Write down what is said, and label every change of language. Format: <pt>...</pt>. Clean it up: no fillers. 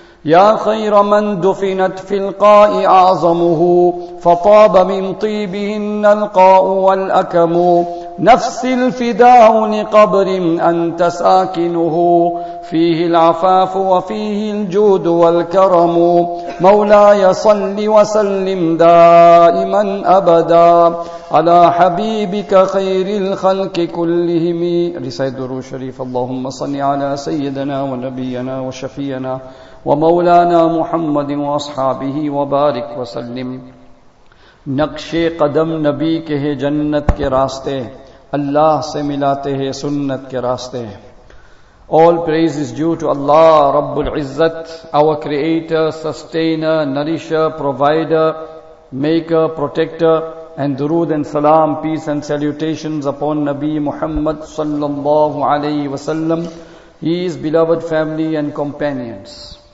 <ar>يا خير من دفنت في القاء أعظمه، فطاب من طيبهن القاء والأكم، نفس الفداء لقبر أنت ساكنه، فيه العفاف وفيه الجود والكرم، مولاي صل وسلم دائما أبدا على حبيبك خير الخلق كلهم. رسالة درو شريف. اللهم صل على سيدنا ونبينا وشفينا ومولانا محمد واصحابه وبارك وسلم.</ar> <ur>نقش قدم نبی کے ہے جنت کے راستے، اللہ سے ملاتے ہیں سنت کے راستے.</ur> <en>All praise is due to Allah رب العزت، our creator, sustainer, nourisher, provider, maker, protector, and درود and salam, peace and salutations upon نبی محمد صلی اللہ علیہ وسلم, his beloved family and companions.</en>